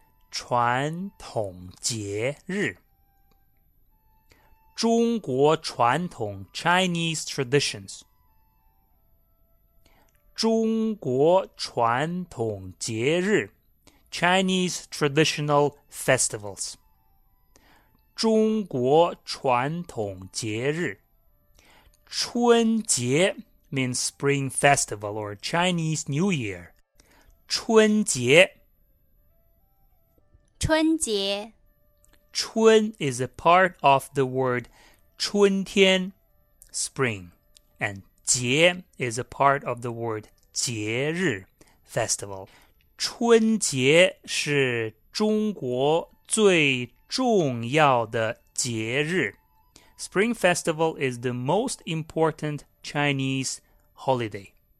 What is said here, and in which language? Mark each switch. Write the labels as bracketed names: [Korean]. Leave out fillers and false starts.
[Chinese] 传统节日中国传统 [English] Chinese traditions [Chinese] 中国传统节日 [English] Chinese traditional festivals [Chinese] 中国传统节日春节 [English] means spring festival or Chinese New Year [Chinese] 春节春节 [English] 春 is a part of the word 春天, spring, and 节 is a part of the word 节日, festival. [Chinese] 春节是中国最重要的节日. [English] Spring festival is the most important Chinese holiday.